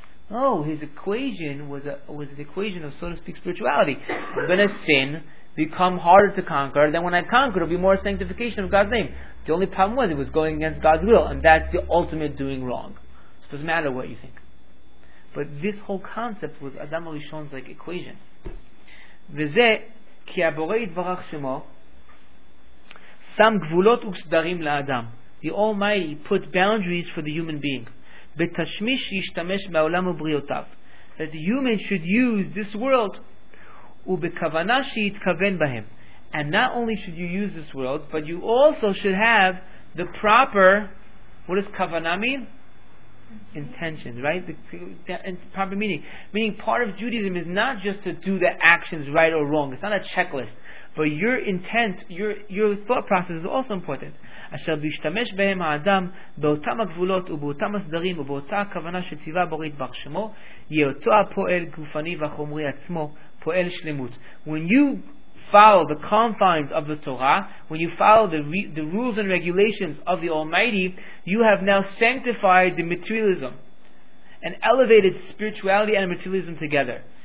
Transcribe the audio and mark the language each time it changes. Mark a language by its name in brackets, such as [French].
[English] Oh, his equation was the equation of, so to speak, spirituality. I'm going to sin, become harder to conquer. Then when I conquer, it'll be more sanctification of God's name. The only problem was, it was going against God's will. And that's the ultimate doing wrong. So it doesn't matter what you think. But this whole concept was Adam HaRishon's like equation. [Hebrew] וזה כי הבורא יתברך שמו שם גבולות וסדרים לאדם. [English] The Almighty put boundaries for the human being. [Hebrew] בתשמיש ישתמש בעולם ובריאותיו. [English] That the human should use this world. [Hebrew] ובכוונה שיתכוון בהם. [English] And not only should you use this world, but you also should have the proper, what does kavana mean? Intention, right? Proper meaning. Meaning, part of Judaism is not just to do the actions right or wrong. It's not a checklist. But your intent, your thought process is also important. [Hebrew] אשר בישתמש בהם האדם באותם הגבולות ובאותם הסדרים ובאותה הכוונה שציווה בורא יתברך שמו, יהיה אותו הפועל גופני והחומרי עצמו, פועל שלמות. [English] When you follow the confines of the Torah, when you follow the rules and regulations of the Almighty, you have now sanctified the materialism and elevated spirituality and materialism together.